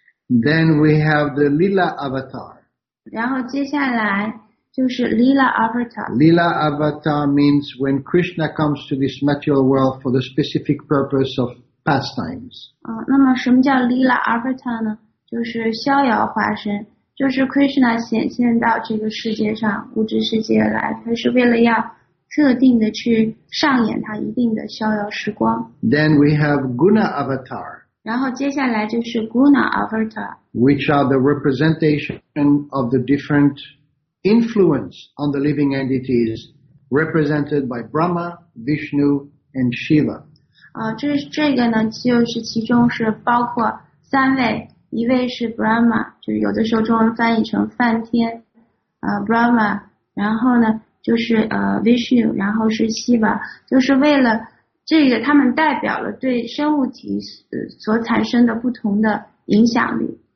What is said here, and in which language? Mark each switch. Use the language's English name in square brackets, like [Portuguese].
[English] Then we have the Lila Avatar. [Chinese] 然后接下来就是 Lila Avatar. [English] Lila Avatar means when Krishna comes to this material world for the specific purpose of pastimes. [Chinese] 那么什么叫 Lila Avatar 呢？就是逍遥化身。就是 Krishna 显现到这个世界上物质世界来，他是为了要特定的去上演他一定的逍遥时光。 [English] Then we have Guna Avatar. [Chinese] 然后接下来就是 Guna Avarta, [English] which are the representation of the different influence on the living entities represented by Brahma, Vishnu, and Shiva. [Chinese] 这个呢就是其中是包括三位，一位是 Brahma, 就是有的时候中文翻译成梵天、Brahma, 然后呢就是、Vishnu, 然后是 Shiva, 就是为了这个他们代表了对生物体所产生的不同的影响力。